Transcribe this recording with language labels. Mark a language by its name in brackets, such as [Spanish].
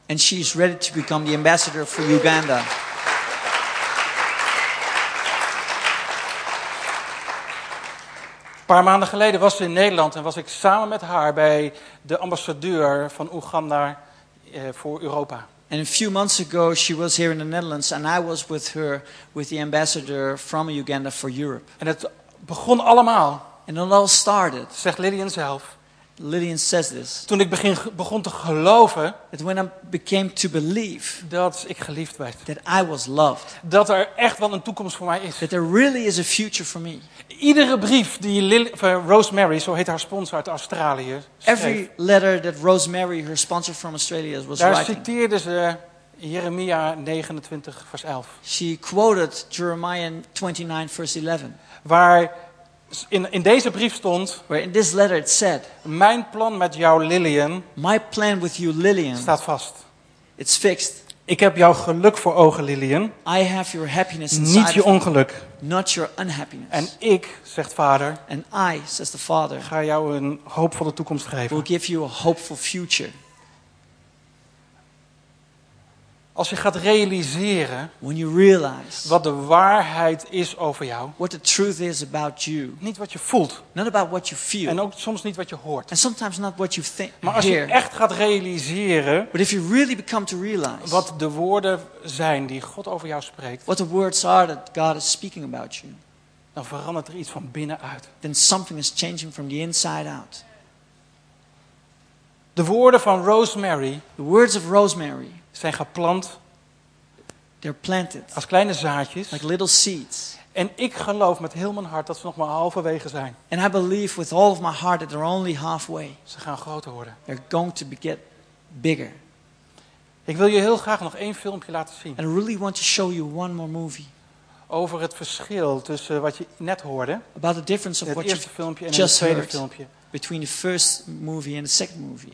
[English] And she is ready to become the ambassador for Uganda. [Dutch] Een paar maanden geleden was ze in Nederland en was ik samen met haar bij de ambassadeur van Uganda voor Europa. [English] And a few months ago she was here in the Netherlands and I was with her with the ambassador from Uganda for Europe. [Dutch] En het begon allemaal. [English] And it all started. [Dutch] Zegt Lillian zelf. [English] Lillian says this. [Dutch] Toen ik begon te geloven. [English] That when I became to believe. [Dutch] Dat ik geliefd werd. [English] That I was loved. [Dutch] Dat er echt wel een toekomst voor mij is. [English] That there really is a future for me. [Dutch] Iedere brief die Rosemary, zo heet haar sponsor uit Australië. Schreef, [English] every letter that Rosemary, her sponsor from Australia, was [Dutch] daar [English] writing. [Dutch] Daar citeerde ze Jeremia 29 vers 11. [English] She quoted Jeremiah 29 verse 11. [Dutch] Waar in deze brief stond, [English] where in this letter it said, [Dutch] mijn plan met jou Lillian, [English] my plan with you Lillian, [Dutch] staat vast. [English] It's fixed. [Dutch] Ik heb jouw geluk voor ogen Lillian. [English] I have your happiness [Dutch] inside. Niet je ongeluk. [English] Not your unhappiness. [Dutch] En ik, zegt Vader, [English] and I, says the Father, [Dutch] ga jou een hoopvolle toekomst geven. [English] Will give you a hopeful future. [Dutch] Als je gaat realiseren [English] when you realize [Dutch] wat de waarheid is over jou, [English] what the truth is about you, [Dutch] niet wat je voelt, [English] not about what you feel, [Dutch] en ook soms niet wat je hoort, [English] and sometimes not what you think, [Dutch] maar als [English] hear, [Dutch] je echt gaat realiseren, [English] but if you really become to realize [Dutch] wat de woorden zijn die God over jou spreekt, [English] what the words are that God is speaking about you, [Dutch] dan verandert er iets van binnenuit. [English] Then something is changing from the inside out. [Dutch] De woorden van Rosemary, [English] the words of Rosemary, [Dutch] zijn geplant. [English] They're planted. [Dutch] Als kleine zaadjes. [English] Like little seeds. [Dutch] En ik geloof met heel mijn hart dat ze nog maar halverwege zijn. [English] And I believe with all of my heart that they're only halfway. [Dutch] Ze gaan groter worden. [English] They're going to get bigger. [Dutch] Ik wil je heel graag nog één filmpje laten zien. [English] And I really want to show you one more movie. [Dutch] Over het verschil tussen wat je net hoorde. [English] About the difference of [Dutch] het [English] what [Dutch] eerste [English] you [Dutch] filmpje en [English] just [Dutch] het tweede [English] heard [Dutch] filmpje. [English] Between the first movie and the second movie.